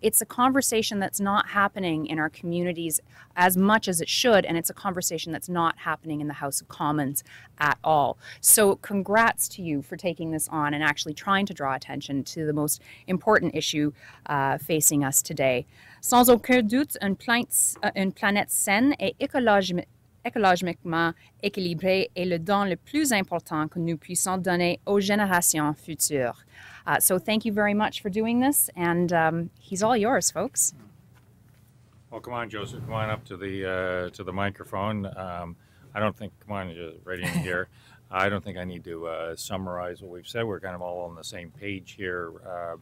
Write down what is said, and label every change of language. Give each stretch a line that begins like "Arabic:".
English: It's a conversation that's not happening in our communities as much as it should, and it's a conversation that's not happening in the House of Commons at all. So congrats to you for taking this on and actually trying to draw attention to the most important issue facing us today.
French: Sans aucun doute, une planète saine et écologiquement équilibré est le don le plus important que nous puissions donner aux générations futures.
English: So thank you very much for doing this, and he's all yours, folks. Well, come on, Joseph, come on up to the microphone. I don't think, come on, just right in here. I don't think I need to summarize what we've said. We're kind of all on the same page here.